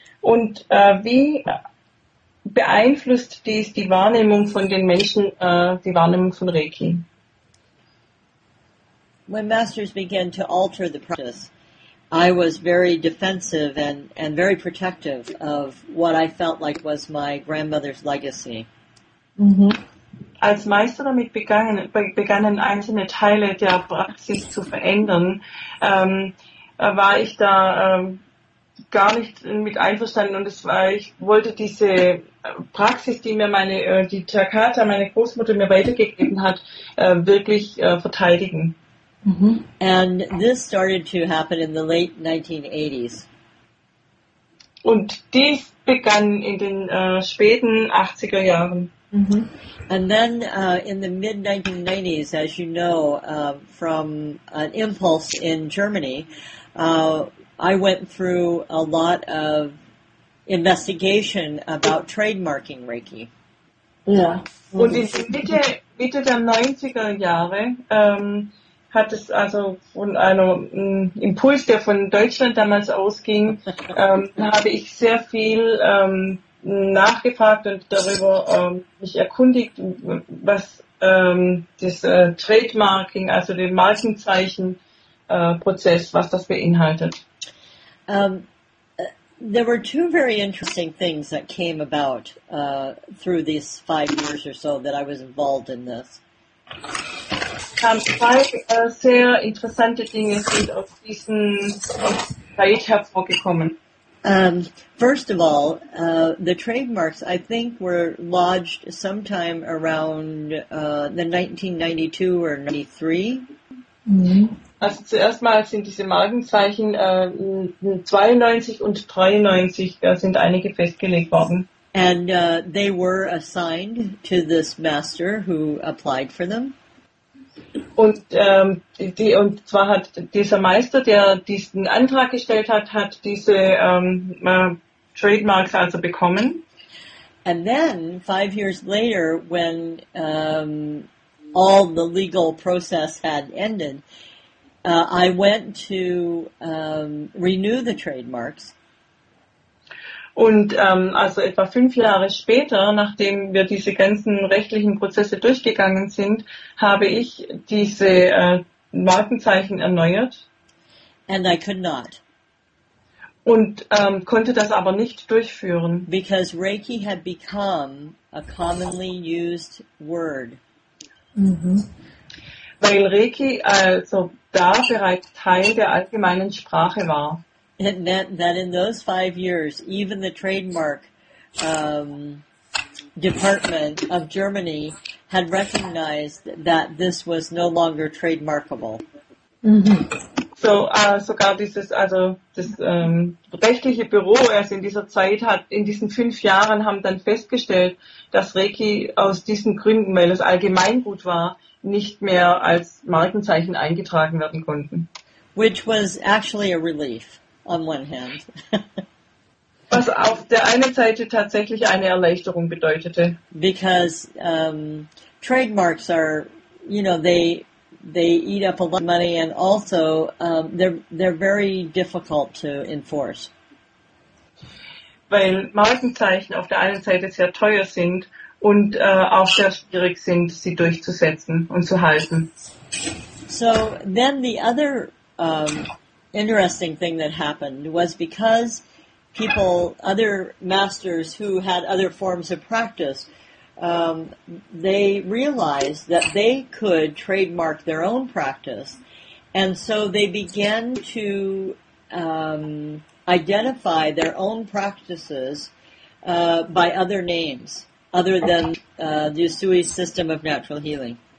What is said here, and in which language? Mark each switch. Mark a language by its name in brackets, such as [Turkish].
[German] Und wie beeinflusst dies die Wahrnehmung von den Menschen, die Wahrnehmung von Reiki? [English] When masters began to alter the practice, I was very defensive and very protective of what I felt like was my grandmother's legacy. Mm-hmm. [German] Als Meister damit begannen einzelne Teile der Praxis zu verändern, war ich da gar nicht mit einverstanden, und es war, ich wollte diese Praxis, die mir meine die Terkata, meine Großmutter mir weitergegeben hat, wirklich verteidigen. Mm-hmm. [English] And this started to happen in the late 1980s. [German] Und dies begann in den späten 80er Jahren. Mm-hmm. [English] And then in the mid-1990s, as you know, from an impulse in Germany, I went through a lot of investigation about trademarking Reiki. Yeah. [German] Und in Mitte der 90er Jahre hat es also von einem Impuls, der von Deutschland damals ausging, habe ich sehr viel nachgefragt und darüber mich erkundigt, was das Trademarking, also den Markenzeichenprozess, was das beinhaltet. [English] There were two very interesting things that came about through these 5 years or so that I was involved in this. [German] Zwei sehr interessante Dinge sind aus diesem Zeit hervorgekommen. [English] First of all, the trademarks, I think, were lodged sometime around the 1992 or 93. [German] Also zuerst mal sind diese Markenzeichen 92 und 93 sind einige festgelegt worden. [English] And they were assigned to this master who applied for them. [German] Und und zwar hat dieser Meister, der diesen Antrag gestellt hat, hat diese Trademarks also bekommen. [English] And then 5 years later, when all the legal process had ended, I went to renew the trademarks. [German] Und also etwa 5 Jahre später, nachdem wir diese ganzen rechtlichen Prozesse durchgegangen sind, habe ich diese Markenzeichen erneuert. [English] And I could not. [German] Und konnte das aber nicht durchführen. [English] Because Reiki had become a commonly used word. Mhm. [German] Weil Reiki also da bereits Teil der allgemeinen Sprache war. [English] It meant that in those 5 years, even the trademark department of Germany had recognized that this was no longer trademarkable. Mm-hmm. [German] So, sogar dieses, also das rechtliche Büro erst in dieser Zeit hat, in diesen 5 Jahren haben dann festgestellt, dass Reiki aus diesen Gründen, weil es Allgemeingut war, nicht mehr als Markenzeichen eingetragen werden konnten. [English] Which was actually a relief. On one hand. [German] Was auf der einen Seite tatsächlich eine Erleichterung bedeutete. [English] Because trademarks are, you know, they eat up a lot of money, and also they're very difficult to enforce. [German] Weil Markenzeichen auf der einen Seite sehr teuer sind und auch sehr schwierig sind, sie durchzusetzen und zu halten. [English] So then the other interesting thing that happened was because people, other masters who had other forms of practice, they realized that they could trademark their own practice, and so they began to identify their own practices by other names, other than the Usui system of natural healing.